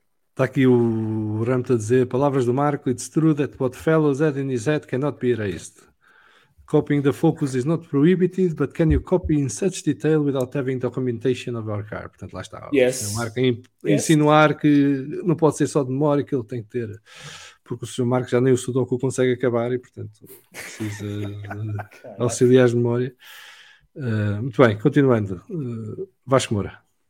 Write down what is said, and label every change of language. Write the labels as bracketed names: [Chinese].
[Portuguese] Está aqui o Ramto a dizer palavras do Marco. [English] It's true that what fellows had in his head cannot be erased. Copying the focus is not prohibited, but can you copy in such detail without having documentation of our car? [Portuguese] Portanto, lá está. [English] Yes. [Portuguese] O Marco insinuar que não pode ser só de memória que ele tem que ter, porque o Sr. Marco já nem o Sudoku consegue acabar e, portanto, precisa auxiliar de memória. Muito bem, continuando. Vasco Moura.